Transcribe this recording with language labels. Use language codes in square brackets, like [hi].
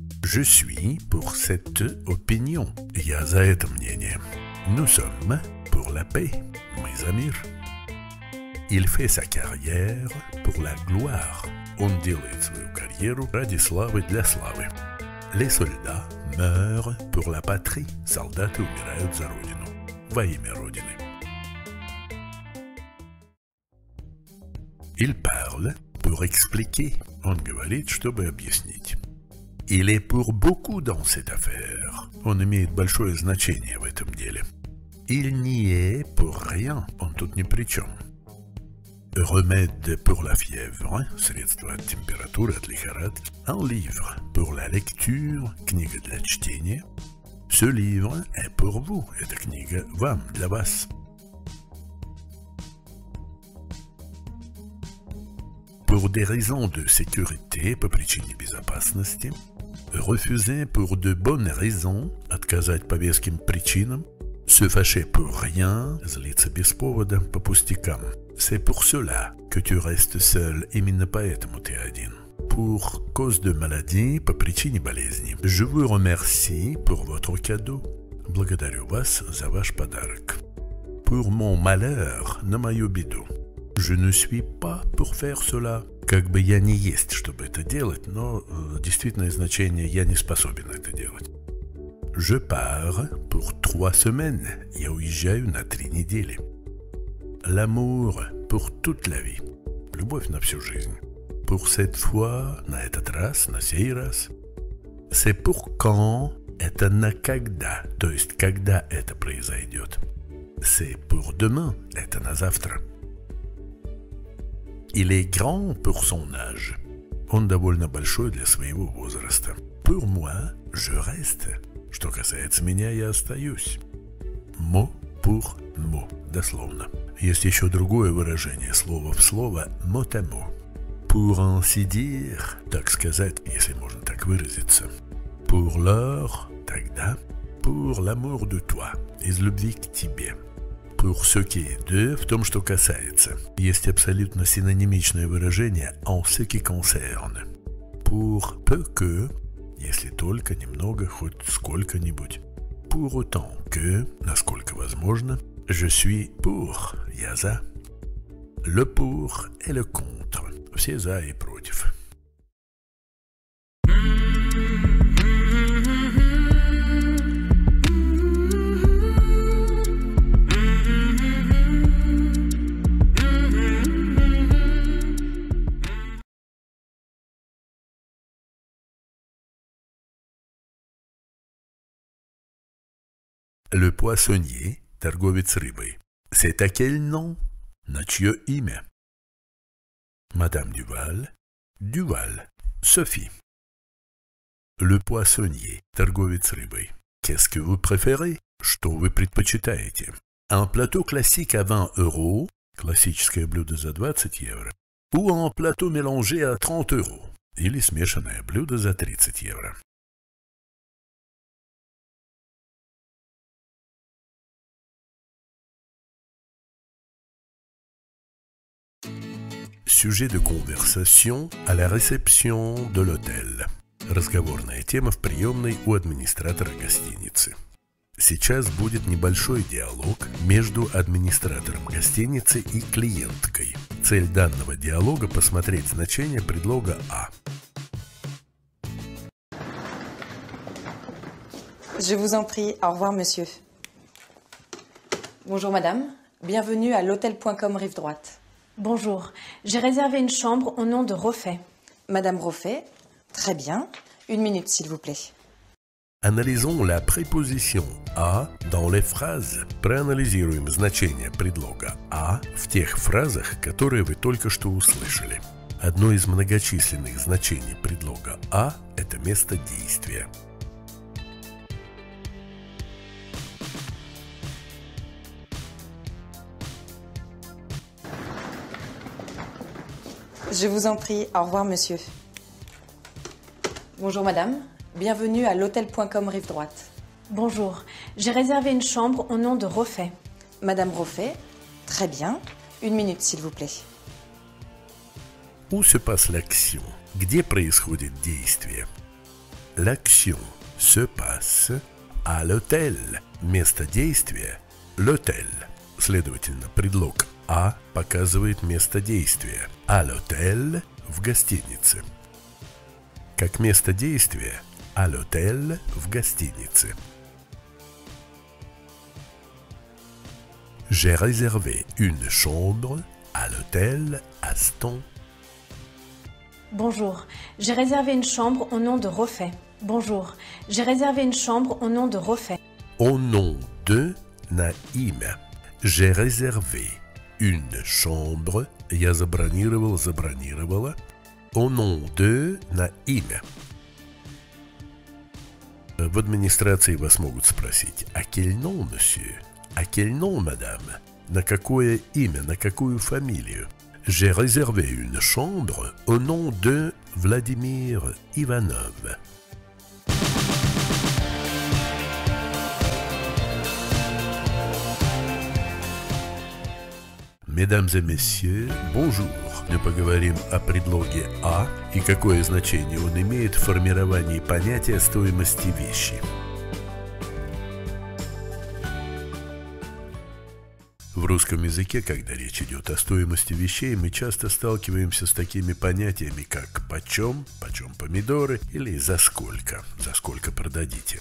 [fr] Je suis pour cette opinion, [ru] я за это мнение. [fr] Nous sommes pour la paix, [ru] мы за мир. [fr] Il fait sa carrière pour la gloire. [ru] Он делает свою карьеру ради славы, для славы. [fr] Les soldats meurent pour la patrie. [ru] Солдаты умирают за родину. Во имя родины. [fr] Il parle pour expliquer. [ru] Он говорит, чтобы объяснить. [fr] Il est pour beaucoup dans cette affaire. [ru] Он имеет большое значение в этом деле. [fr] Il n'y est pour rien. [ru] Он тут ни при чем. [fr] Remède pour la fièvre, [ru] средство от температуры, от лихорадки. [fr] Un livre pour la lecture, [ru] книга для чтения. [fr] Ce livre est pour vous, [ru] эта книга вам, для вас. [fr] Pour des raisons de sécurité, [ru] по причине безопасности. [fr] Refuser pour de bonnes raisons, [ru] отказать по веским причинам. [fr] Se fâcher pour rien, [ru] злиться без повода, по пустякам. [fr] C'est pour cela que tu restes seul, [ru] именно поэтому ты один. [fr] Pour cause de maladie, [ru] по причине болезни. [fr] Je vous remercie pour votre cadeau. [ru] Благодарю вас за ваш подарок. [fr] Pour mon malheur, [ru] на мою беду. [fr] Je ne suis pas pour faire cela. [ru] Как бы я не есть, чтобы это делать, но действительное значение, я не способен это делать. [fr] Je pars pour 3 semaines. [ru] Я уезжаю на 3 недели. [fr] L'amour pour toute la vie. [ru] Любовь на всю жизнь. [fr] Pour cette fois, [ru] на этот раз, на сей раз. [fr] C'est pour quand, [ru] это на когда, то есть когда это произойдет. [fr] C'est pour demain, [ru] это на завтра. [fr] Il est grand pour son âge. [ru] Он довольно большой для своего возраста. [fr] Pour moi, je reste. [ru] Что касается меня, я остаюсь. [fr] Mot pour mot, дословно. [ru] Есть еще другое выражение, слово в слово, [fr] mot à mot. Pour ainsi dire, [ru] так сказать, если можно так выразиться. [fr] Pour l'heure, тогда. Pour l'amour de toi, [ru] из любви к тебе. [fr] Pour ce qui est de, [ru] в том, что касается. Есть абсолютно синонимичное выражение, [fr] en ce qui concerne. Pour peu que, [ru] если только, немного, хоть сколько-нибудь. [fr] Pour autant que, [ru] насколько возможно. [fr] Je suis pour, [ru] я за. [fr] Le pour et le contre. [ru] Все за и против. [fr] Le poissonnier, [ru] торговец рыбой. [fr] C'est à quel nom? [ru] На чье имя? [fr] Madame Duval. Duval. Sophie. Le poissonnier, [ru] торговец рыбой. [fr] Qu'est-ce que vous préférez? [ru] Что вы предпочитаете? [fr] Un plateau classique à 20 euros. [ru] Классическое блюдо за 20 евро. [fr] Ou un plateau mélangé à 30 euros. [ru] Или смешанное блюдо за 30 евро. [en] Thank you. [fr] sujet de conversation à la réception de l'hôtel. [ru] Разговорная тема в приемной у администратора гостиницы. Сейчас будет небольшой диалог между администратором гостиницы и клиенткой. Цель данного диалога – посмотреть значение предлога «а». [fr] Je vous en prie, au revoir, monsieur. Bonjour, madame. Bienvenue à l'hôtel.com Rive Droite. Bonjour. J'ai réservé une chambre au nom de Roffet. Madame Roffet, très bien. Une minute, s'il vous plaît. Analysons la préposition «à» dans les phrases. [ru] Проанализируем значение предлога «à» в тех фразах, которые вы только что услышали. Одно из многочисленных значений предлога «à» – это место действия. [fr] Je vous en prie, au revoir, monsieur. Bonjour, madame. Bienvenue à l'hôtel.com Rive Droite. Bonjour. J'ai réservé une chambre au nom de Roffet. Madame Roffet, très bien. Une minute, s'il vous plaît. Où se passe l'action? Где происходит действие? L'action se passe à l'hôtel. [ru] Место действия – l'hôtel. Следовательно, предлог «à» показывает место действия. [fr] «À l'hôtel» [ru] – в гостинице. Как место действия «à l'hôtel» – в гостинице. [fr] «J'ai réservé une chambre à l'hôtel Aston». Bonjour, j'ai réservé une chambre au nom de Roffet. Bonjour, j'ai réservé une chambre au nom de Roffet. Au nom de Naïm. J'ai réservé une chambre. [ru] Я забронировал, забронировала. [fr] Au nom de Naïm. [ru] В администрации вас могут спросить: [fr] «À quel nom, monsieur?» «À quel nom, madame?» [ru] На какое имя, на какую фамилию? [fr] J'ai réservé une chambre au nom de Vladimir Ivanov. Mesdames et messieurs, bonjour. [ru] Мы поговорим о предлоге «à» и какое значение он имеет в формировании понятия стоимости вещи. В русском языке, когда речь идет о стоимости вещей, мы часто сталкиваемся с такими понятиями, как «почем», «почем помидоры» или «за сколько продадите».